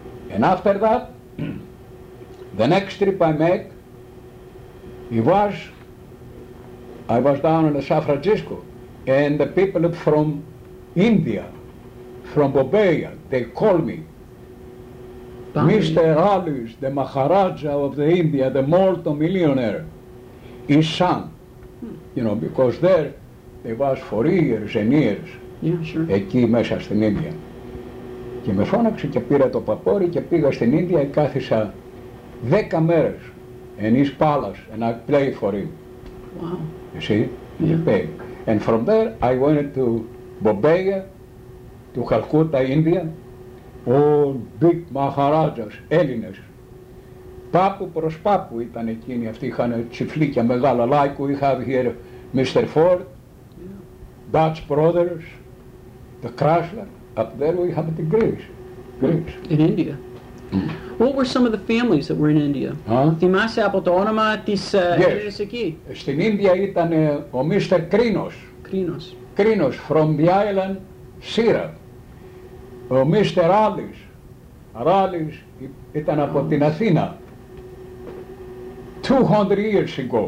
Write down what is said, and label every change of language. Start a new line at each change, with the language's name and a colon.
English: And after that, the next trip I make, I was down in San Francisco, and the people from India, from Bombay, they call me Mr. Alice, the Maharaja of the India, the multi-millionaire, his son. You know, because there they was for years and years. Yeah, sure.
Greek: Εκεί μέσα στην Ινδία. Και με φώναξε και πήρα το παπόρι και πήγα στην Ινδία και κάθισα 10 μέρες
English: in his palace and I played for him. Wow. You see? Yeah. And from there I went to Bombay, to Calcutta, India, all big Maharajas,
Greek: Έλληνες. Πάπου προς πάπου ήταν εκείνοι, αυτοί είχαν τσιφλίκια μεγάλα,
English: like we have here Mr. Ford, yeah. Dutch Brothers, the Chrysler, up there we have the Greeks. In India. Mm. What were some of the families that were in India?
Greek: Θυμάσαι από το όνομα της Έλληνες εκεί. Στην Ινδία ήταν ο Mr. Κρίνος. Κρίνος.
English: Κρίνος, from the island.
Greek: Σύρα, ο Μίστερ Άλης, Ράλης ήταν από την Αθήνα,
English: 200 years ago,